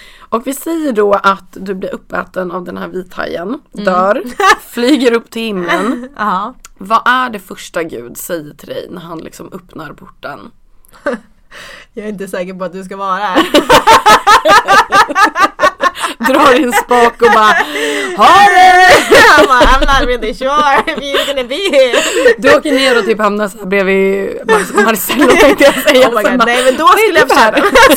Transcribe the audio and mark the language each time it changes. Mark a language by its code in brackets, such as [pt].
[sv] Och vi säger då att du blir uppäten av den här vithajen, dör, flyger upp till himlen. Ja. Vad är det första Gud säger till dig när han liksom öppnar porten? Jag är inte säker på att du ska vara här. Drar din spak och bara, har du? [en] I'm not really sure if you're gonna be here. [sv] Du åker ner och typ hamnar såhär bredvid Marcello, tänkte jag säga. [en] Oh my god, [sv] bara, nej men då skulle jag försöka.